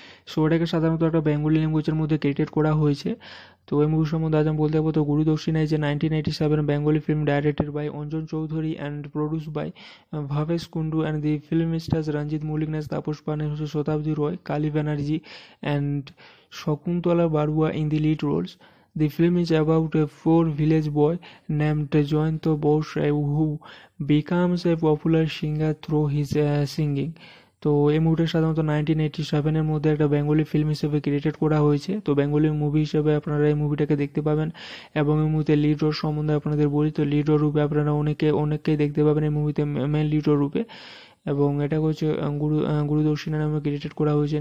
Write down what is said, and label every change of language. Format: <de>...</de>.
<bn>So এটাকে সাধারণত একটা বেঙ্গলি ল্যাঙ্গুয়েজের মধ্যে ক্রিয়েটেড করা হয়েছে। তো এই মুভি সম্বন্ধে আজ আমি বলতে যাবো।</bn> <en>তো গুরু দক্ষিণা যে 1997 Bengali film, directed by Anjan Chowdhury and produce by Bhabesh Kundu and the film stars Ranjit Mallick, নেস Tapas Paul, Satabdi Roy, Kali Banerjee and Shakuntala Barua in the lead roles. The film is about a poor village boy named Jayanta Bose who becomes a popular singer through his singing.</en> <bn>তো এই মুভিটা সাধারণত 1987 মধ্যে একটা Bengali film হিসেবে created করা হয়েছে। তো বেঙ্গলি মুভি হিসেবে আপনারা এই মুভিটাকে দেখতে পাবেন। এবং এই মুভিতে লিড রোল সম্বন্ধে আপনাদের বলি, তো লিড রোল রূপে আপনারা অনেকে অনেককেই দেখতে পাবেন এই মুভিতে মেন লিড রোল রূপে। এবং এটাকে হচ্ছে গুরু দক্ষিণা নামে ক্রেডিটেড করা হয়েছে।</bn>